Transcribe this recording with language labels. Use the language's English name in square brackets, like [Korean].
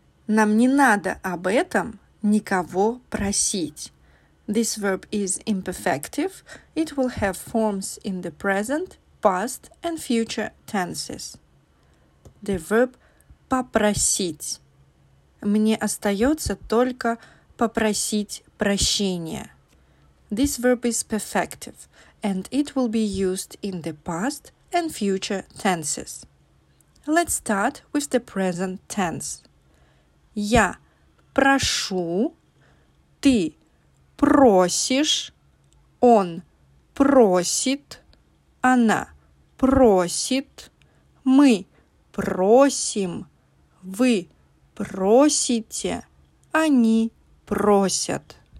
[Russian] Нам не надо об этом никого просить. [English] This verb is imperfective. It will have forms in the present, past and future tenses. The verb попросить. [Russian] Мне остается только попросить прощения. [English] This verb is perfective and it will be used in the past and future tenses. Let's start with the present tense. [Russian] Я прошу, ты просишь, он просит, она просит, мы просим, вы просите, они просят.